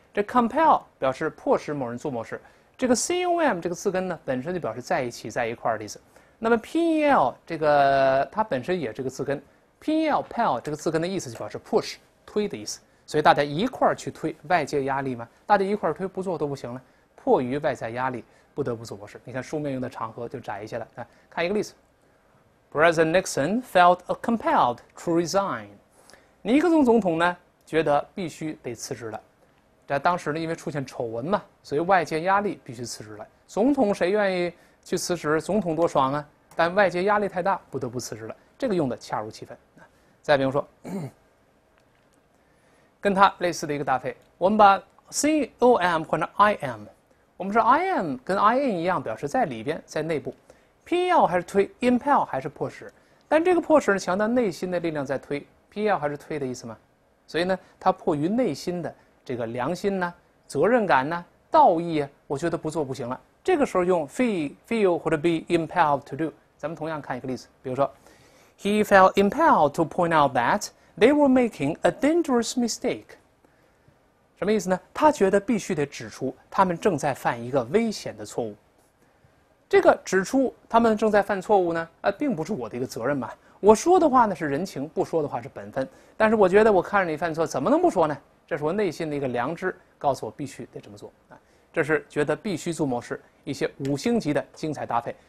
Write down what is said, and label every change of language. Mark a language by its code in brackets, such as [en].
[zh] 这 compel 表示迫使某人做某事，这个 com 这个字根呢，本身就表示在一起、在一块儿的意思。那么 pel 这个它本身也是个字根 ，pel 这个字根的意思就表示迫使、推的意思。所以大家一块儿去推外界压力嘛，大家一块儿推，不做都不行了，迫于外在压力不得不做某事。你看书面用的场合就窄一些了啊。看一个例子 [en] ，President Nixon felt compelled to resign。 [zh] 尼克松总统呢，觉得必须得辞职了。这当时呢，因为出现丑闻嘛，所以外界压力必须辞职了。总统谁愿意去辞职？总统多爽啊！但外界压力太大，不得不辞职了。这个用的恰如其分。再比如说，跟他类似的一个搭配，我们把 C O M 换成 I M。我们说 I M 跟 I N 一样，表示在里边，在内部。P L 还是推 ，impel 还是迫使。但这个迫使呢，强调内心的力量在推。feel 还是推的意思吗？所以呢，他迫于内心的这个良心呢、责任感呢、道义啊，我觉得不做不行了。这个时候用 feel 或者 [en] be impelled to do。 [zh] 咱们同样看一个例子，比如说 [en] He felt impelled to point out that they were making a dangerous mistake. [zh] 什么意思呢？他觉得必须得指出他们正在犯一个危险的错误。这个指出他们正在犯错误呢，并不是我的一个责任嘛。我说的话呢是人情，不说的话是本分。但是我觉得我看着你犯错，怎么能不说呢？这是我内心的一个良知，告诉我必须得这么做啊。这是觉得必须做某事，一些五星级的精彩搭配。